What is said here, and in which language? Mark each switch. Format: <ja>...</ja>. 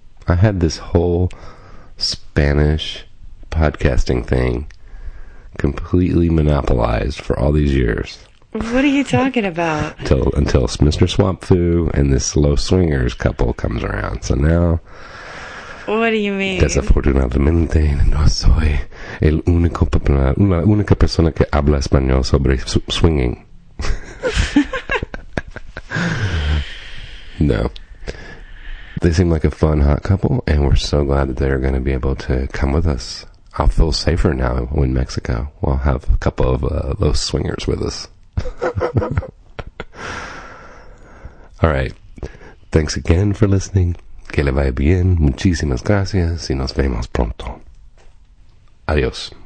<en>I had this whole Spanish podcasting thing completely monopolized for all these years. What are you talking about? Until Mr. Swamp Fu and this Los Swingers couple comes around. So now... What do you mean?</en> <es>Desafortunadamente, no soy el único la única persona que habla español sobre swinging.</es> <en>No. They seem like a fun, hot couple, and we're so glad that they're going to be able to come with us. I'll feel safer now in Mexico. We'll have a couple of those swingers with us. All right. Thanks again for listening.</en> <es>Que le vaya bien. Muchísimas gracias y nos vemos pronto. Adiós.</es>